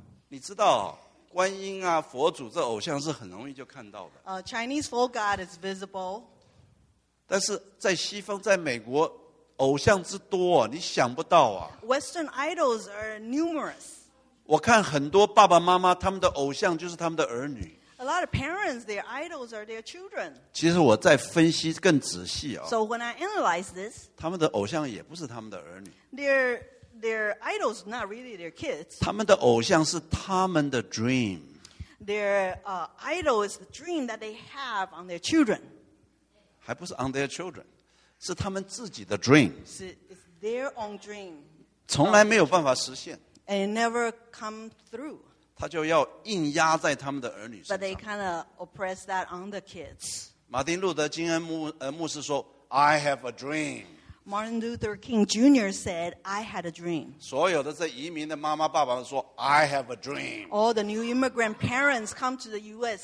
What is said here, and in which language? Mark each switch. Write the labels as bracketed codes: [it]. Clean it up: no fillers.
[zh] 你知道观音啊佛祖这偶像是很容易就看到的。 [en] Chinese folk god is visible. [zh] 但是在西方在美国 偶像之多，你想不到啊！ [en] Western idols are numerous. [zh] 我看很多爸爸妈妈他们的偶像就是他们的儿女。 [en] A lot of parents, their idols are their children. [zh] 其实我在分析更仔细啊。 [en] So when I analyze this, [zh] 他们的偶像也不是他们的儿女。 [en] Their idols not really their kids. [zh] 他们的偶像是他们的 dream. [en] Their idol is the dream that they have on their children. [zh] 还不是 [en] on their children. [zh] 是他们自己的 dream， [en] 是 it's their own dream， [zh] 从来没有办法实现 [en] ，and it never come through， [zh] 他就要硬压在他们的儿女身上 [en] ，but they kind of oppress that on the kids。 [zh] 马丁路德金恩牧师说 ， [en] I have a dream。 Martin Luther King Jr. said I had a dream。 [zh] 所有的这移民的妈妈爸爸说 ， [en] I have a dream。 All the new immigrant parents come to the U.S.